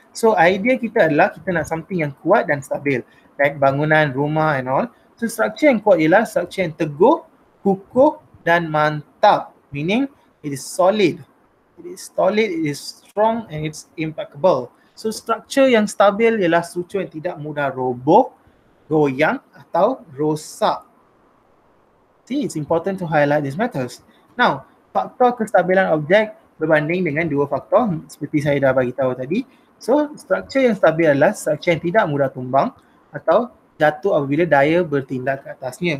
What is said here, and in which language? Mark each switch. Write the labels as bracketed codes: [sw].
[ms] So idea kita adalah kita nak something yang kuat dan stabil. [en] Like [ms] bangunan, rumah [en] and all. [ms] So structure yang kuat ialah structure yang teguh, kukuh dan mantap. [en] Meaning it is solid. It is solid, it is strong and it's impeccable. [ms] So structure yang stabil ialah structure yang tidak mudah roboh, goyang atau rosak. [en] See, it's important to highlight these matters. [ms] Now, faktor kestabilan objek berbanding dengan dua faktor seperti saya dah bagi tahu tadi. So, structure yang stabil adalah structure yang tidak mudah tumbang atau jatuh apabila daya bertindak ke atasnya.